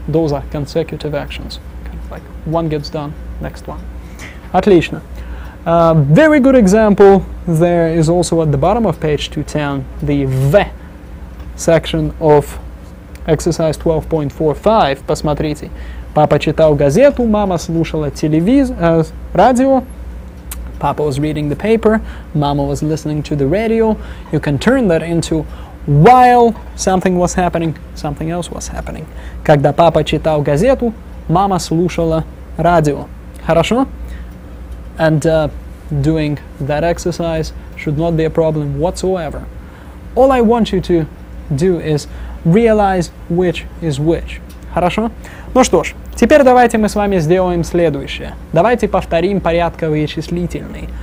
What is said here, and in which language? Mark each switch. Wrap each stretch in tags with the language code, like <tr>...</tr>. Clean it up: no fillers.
<en>Those are consecutive actions. Kind of like one gets done, next one. Отлично. A very good example there is also at the bottom of page 210, the V section of exercise 12.45.</en> <ru>Посмотрите. Папа читал газету, мама слушала радио.</ru> <en>Papa was reading the paper, mama was listening to the radio. You can turn that into while something was happening, something else was happening.</en> <ru>Когда папа читал газету, мама слушала радио. Хорошо?</ru> <en>And doing that exercise should not be a problem whatsoever. All I want you to do is realize which is which.</en> <ru>Хорошо? Ну что ж, теперь давайте мы с вами сделаем следующее. Давайте повторим порядковые числительные.</ru>